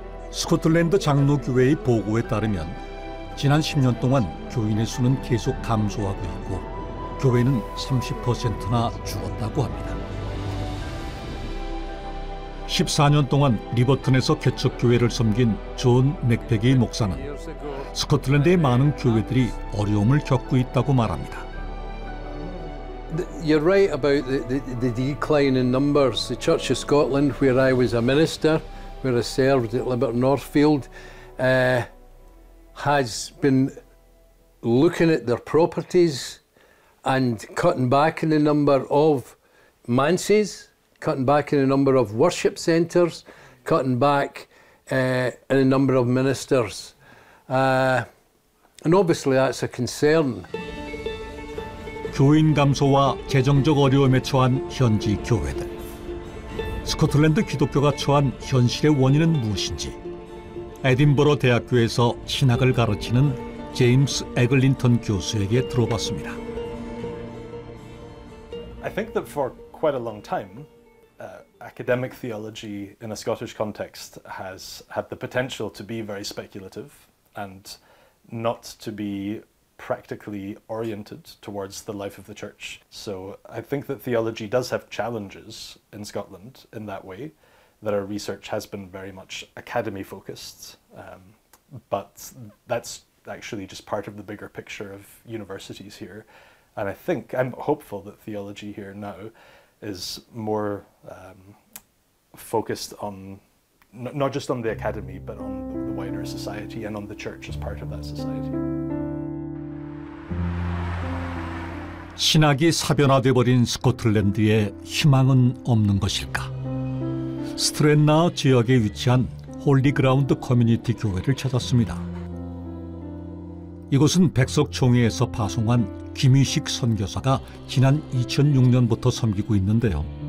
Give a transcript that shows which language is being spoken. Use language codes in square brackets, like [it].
[ko] 스코틀랜드 장로교회의 보고에 따르면 지난 10년 동안 교인의 수는 계속 감소하고 있고 교회는 30%나 줄었다고 합니다. 14년 동안 리버튼에서 개척교회를 섬긴 존 맥페기 목사는 스코틀랜드의 많은 교회들이 어려움을 겪고 있다고 말합니다. [en] You're right about the decline in numbers. The Church of Scotland, where I was a minister, where I served at Liberty Northfield, has been looking at their properties and cutting back in the number of manses, cutting back in the number of worship centres, cutting back in the number of ministers. And obviously that's a concern. [ko] 교인 감소와 재정적 어려움에 처한 현지 교회들. 스코틀랜드 기독교가 처한 현실의 원인은 무엇인지 에딘버러 대학교에서 신학을 가르치는 제임스 에글린턴 교수에게 들어봤습니다. [en] I think that for quite a long time, academic theology in a Scottish context has had the potential to be very speculative and not to be practically oriented towards the life of the church. So I think that theology does have challenges in Scotland in that way, that our research has been very much academy focused. But that's actually just part of the bigger picture of universities here. And I think, I'm hopeful that theology here now is more focused on, not just on the academy, but on the wider society and on the church as part of that society. [ko] 신학이 사변화돼버린 스코틀랜드에 희망은 없는 것일까? 스트랜나우 지역에 위치한 홀리그라운드 커뮤니티 교회를 찾았습니다. 이곳은 백석총회에서 파송한 김희식 선교사가 지난 2006년부터 섬기고 있는데요.